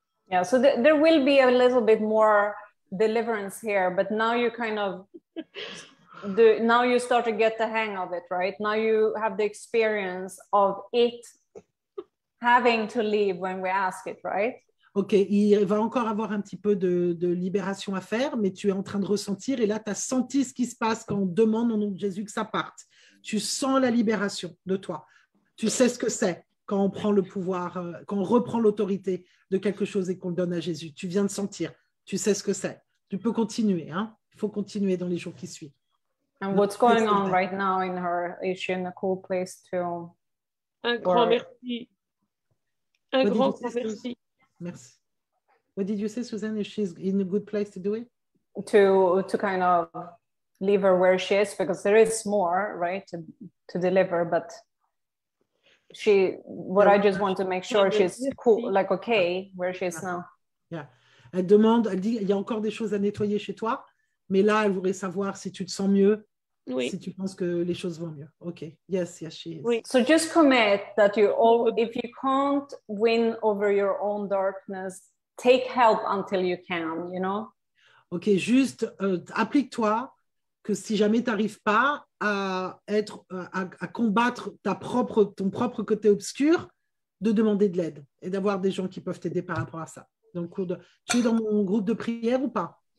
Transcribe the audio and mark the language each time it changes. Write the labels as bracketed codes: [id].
[en] Yeah, so there will be a little bit more deliverance here, but now you kind of now you start to get the hang of it, right? Now you have the experience of it. Having to leave when we ask it, right? [fr] Ok, il va encore avoir un petit peu de libération à faire, mais tu es en train de ressentir, et là, tu as senti ce qui se passe quand on demande au nom de Jésus que ça parte. Tu sens la libération de toi. Tu sais ce que c'est quand on prend le pouvoir, quand on reprend l'autorité de quelque chose et qu'on le donne à Jésus. Tu viens de sentir, tu sais ce que c'est. Tu peux continuer, hein? Il faut continuer dans les jours qui suivent. [en] And what's going on right now in her? Is she in a cool place to... [fr] Incroyable, merci. Un what grand say, merci. Merci. [en] What did you say, Suzanne? If she's in a good place to do it? To kind of leave her where she is, because there is more, right, to deliver, but she, what I just want to make sure she's cool, like okay, where she is now. Yeah. [fr] Elle demande, elle dit, il y a encore des choses à nettoyer chez toi, mais là, elle voudrait savoir si tu te sens mieux. Oui. Si tu penses que les choses vont mieux. OK. Yes, she is. Oui. [en] So just commit that you all, if you can't win over your own darkness, take help until you can, you know? [fr] OK, juste applique-toi que si jamais tu n'arrives pas à être à combattre ton propre côté obscur, de demander de l'aide et d'avoir des gens qui peuvent t'aider par rapport à ça. Donc tu es dans mon groupe de prière ou pas?